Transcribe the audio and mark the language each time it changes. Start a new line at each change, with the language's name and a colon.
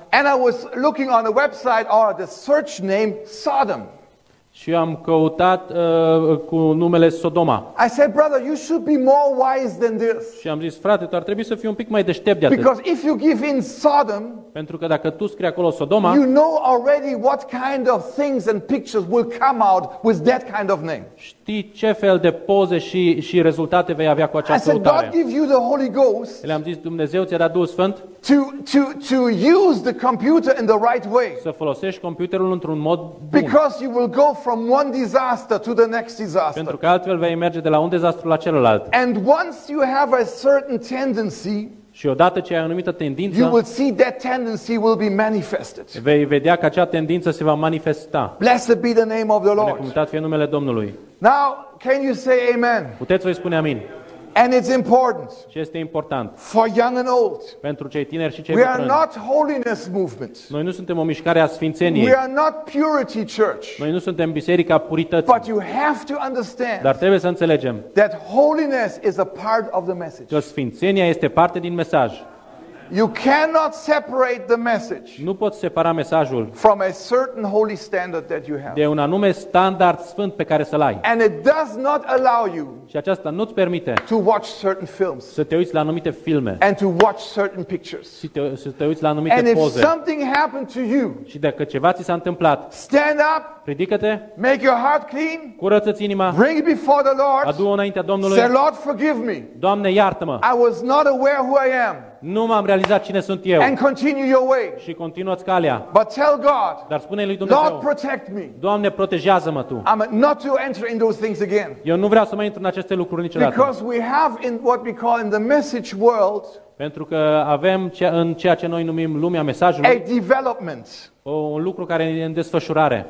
English: And I was looking on the website or the search name Sodom.
Romanian: Și am căutat cu numele Sodoma.
English: I said, brother, you should be more wise than this.
Romanian: Și am zis, frate, tu ar trebui să fii un pic mai deștept de atât.
English: Because if you give in Sodom,
Romanian: pentru că dacă tu scrii acolo Sodoma,
English: you know already what kind of things and pictures will come out with that kind of name.
Romanian: Știi ce fel de poze și rezultate vei avea cu această căutare.
English: I said, God give you the Holy Ghost.
Romanian: Și le-am zis, Dumnezeu ți-a dat Duhul Sfânt.
English: To use the computer in the right way.
Romanian: Să folosești computerul într-un mod bun.
English: Because you will go from one disaster to the next disaster.
Romanian: Pentru că altfel vei merge de la un dezastru la celălalt.
English: And once you have a certain tendency,
Romanian: și odată ce ai o anumită tendință,
English: you will see that tendency will be manifested.
Romanian: Vei vedea că acea tendință se va manifesta.
English: Blessed be the name of the Lord.
Romanian: Binecuvântat fie numele Domnului.
English: Now, can you say amen?
Romanian: Puteți voi spune amin?
English: And it's important.
Romanian: Și este important.
English: For young and old.
Romanian: Pentru cei tineri și cei bătrâni.
English: We are not holiness movement.
Romanian: Noi nu suntem o mișcare a sfințeniei.
English: We are not purity church.
Romanian: Noi nu suntem biserica purității.
English: But you have to understand.
Romanian: Dar trebuie să înțelegem.
English: That holiness is a part of the message.
Romanian: Că sfințenia este parte din mesaj.
English: You cannot separate the message.
Romanian: Nu poți separa mesajul.
English: From a certain holy standard that you have.
Romanian: De un anume standard sfânt pe care să-l ai.
English: And it does not allow you.
Romanian: Și aceasta nu îți permite.
English: To watch certain films.
Romanian: Să te uiți la anumite filme.
English: And to watch certain pictures.
Romanian: Să te uiți la anumite
English: and
Romanian: poze.
English: If something happened to you.
Romanian: Și dacă ceva ți s-a întâmplat.
English: Stand up.
Romanian: Ridică-te.
English: Make your heart clean.
Romanian: Curăță-ți inima.
English: Bring it before the Lord.
Romanian: Adu-o înaintea Domnului.
English: Say, Lord, forgive me.
Romanian: Doamne, iartă-mă.
English: I was not aware who I am.
Romanian: Nu m-am realizat cine sunt eu.
English: And continue your way.
Romanian: Și continuă-ți calea.
English: But tell God.
Romanian: Dar spune lui Dumnezeu.
English: Lord, protect me.
Romanian: Doamne, protejează-mă tu.
English: I'm not to enter in those things again.
Romanian: Eu nu vreau să mai intru în aceste lucruri niciodată.
English: Because we have in what we call in the message world.
Romanian: Pentru că avem în ceea ce noi numim lumea mesajului.
English: A development.
Romanian: Un lucru care e în desfășurare.